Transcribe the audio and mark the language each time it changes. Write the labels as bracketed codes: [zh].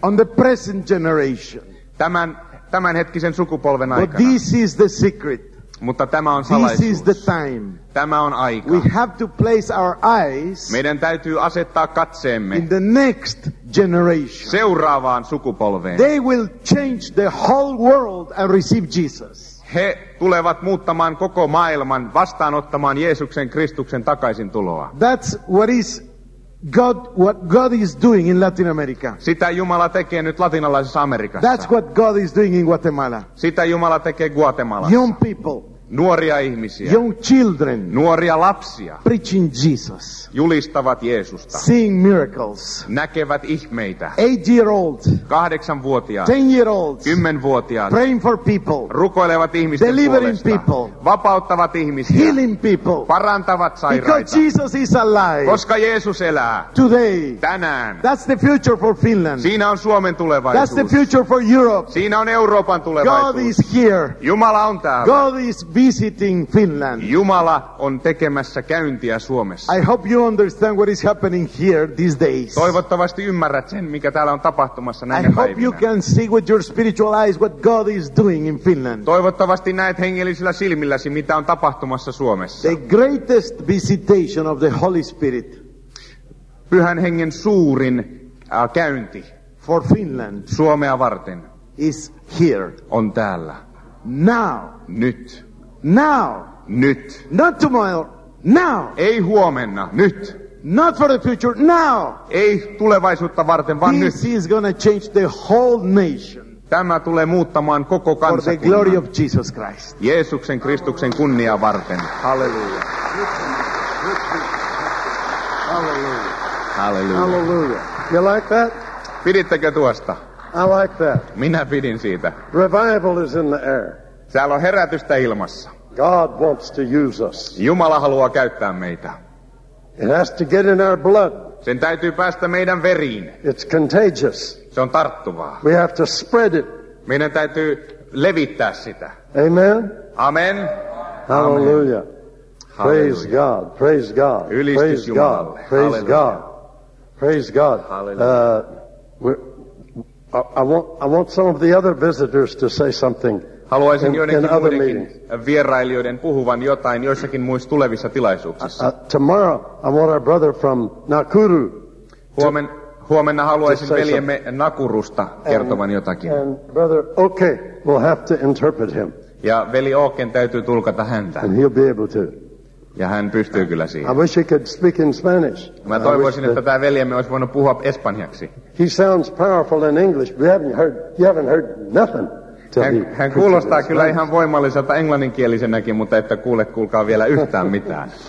[en] On the present generation. [fi] Tämän hetkisen sukupolven aikana. [en] But this is the secret. [fi] Mutta tämä on salaisuus. [en] This is the time. [fi] Tämä on aika. [en] We have to place our eyes. [fi] Meidän täytyy asettaa katseemme. [en] In the next generation. [fi] Seuraavaan sukupolveen. [en] They will change the whole world and receive Jesus. [fi] He tulevat muuttamaan koko maailman vastaanottamaan Jeesuksen Kristuksen takaisin tuloa. [en] That's what is God, what God is doing in Latin America. [fi] Sitä Jumala tekee nyt latinalaisessa Amerikassa. [en] That's what God is doing in Guatemala. [fi] Sitä Jumala tekee Guatemalassa. [en] Young people. [fi] Nuoria ihmisiä. [en] Young children. [fi] Nuoria lapsia. [en] Preaching Jesus. [fi] Julistavat Jeesusta. [en] Seeing miracles. [fi] Näkevät ihmeitä. [en] 8-year-old. [fi] 8-vuotiaat. [en] 10-year-old. [fi] 10-vuotiaat. [en] Praying for people. [fi] Rukoilevat ihmisten [en] delivering [fi] puolesta. [en] Delivering people. [fi] Vapauttavat ihmisiä. [en] Healing people. [fi] Parantavat sairaita. [en] Because Jesus is alive. [fi] Koska Jeesus elää. [en] Today. [fi] Tänään. [en] That's the future for Finland. [fi] Siinä on Suomen tulevaisuus. [en] That's the future for Europe. [fi] Siinä on Euroopan tulevaisuus. [en] God is here. [fi] Jumala on täällä. [en] God is visiting Finland. [fi] Jumala on tekemässä käyntiä Suomessa. [en] I hope you understand what is happening here these days. [fi] Toivottavasti ymmärrät sen, mikä täällä on tapahtumassa näinä päivinä. [en] I hope you can see with your spiritual eyes what God is doing in Finland. [fi] Toivottavasti näet hengellisillä silmilläsi, mitä on tapahtumassa Suomessa. [en] The greatest visitation of the Holy Spirit. [fi] Pyhän hengen suurin käynti [en] for Finland. [fi] Suomea varten. [en] Is here. [fi] On täällä. [en] Now. [fi] Nyt. [en] Now. [fi] Nyt. [en] Not tomorrow. Now. [fi] Ei huomenna. Nyt. [en] Not for the future. Now. [fi] Ei tulevaisuutta varten, vaan [en] this [fi] nyt. [en] This is going to change the whole nation. [fi] Tämä tulee muuttamaan koko kansakunnan. [en] For the glory of Jesus Christ. [fi] Jeesuksen Kristuksen kunnia varten. [en] Hallelujah. Hallelujah. Hallelujah. Hallelujah. You like that? [fi] Pidittekö tuosta? [en] I like that. [fi] Minä pidin siitä. [en] Revival is in the air. [fi] Täällä on herätystä ilmassa. [en] God wants to use us. [fi] Jumala haluaa käyttää meitä. [en] It has to get in our blood. [fi] Sen täytyy päästä meidän veriin. [en] It's contagious. [fi] Se on tarttuvaa. [en] We have to spread it. [fi] Meidän täytyy levittää sitä. [en] Amen. [fi] Amen. [en] Hallelujah. Praise God. Praise God. [fi] Ylistys [en] praise [fi] Jumalalle. [en] God. Praise Hallelujah. God. Praise God. I want some of the other visitors to say something. [fi] Haluaisin joidenkin muidenkin vierailijoiden puhuvan jotain joissakin muissa tulevissa tilaisuuksissa. [en] Tomorrow I want our brother from Nakuru. [fi] Huomenna haluaisin veljemme Nakurusta kertovan jotakin. [en] And brother, okay, we'll have to interpret him. [fi] Ja veli Oaken täytyy tulkata häntä. [en] And he'll be able to. [fi] Ja hän pystyy kyllä siihen. [en] I wish he could speak in Spanish. [fi] Mä toivoisin, että tämä veljemme olisi voinut puhua espanjaksi. [en] He sounds powerful in English. You haven't heard nothing. [fi] Hän kuulostaa kyllä ihan voimalliselta englanninkielisenäkin, mutta että kuulet, kuulkaa vielä yhtään mitään.